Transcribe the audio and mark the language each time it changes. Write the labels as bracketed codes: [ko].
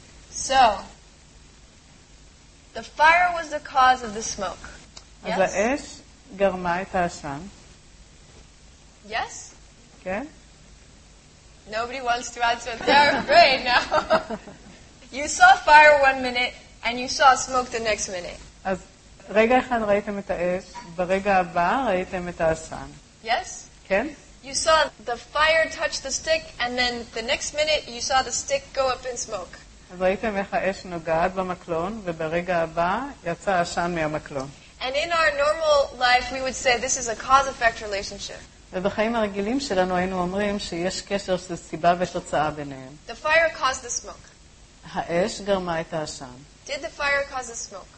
[en] So the fire was the cause of the smoke. [he] אז האש גרמה את העשן. [en] Yes? [he] כן. [en] Nobody wants to answer. They're afraid now. You saw fire one minute and you saw smoke the next minute. [he] אז רגע אחד ראיתם את האש, ברגע הבא ראיתם את העשן. [en] Yes? [he] כן. [en] You saw the fire touch the stick and then the next minute you saw the stick go up in smoke. [he] אז ראיתם איך האש נוגעת במקלון וברגע הבא יצא אשן מהמקלון. [en] And in our normal life we would say this is a cause effect relationship. [he] ובחיים הרגילים שלנו היינו אומרים שיש קשר של סיבה ותוצאה ביניהם. [en] The fire caused the smoke. [he] האש גרמה את האשן. [en] Did the fire cause the smoke?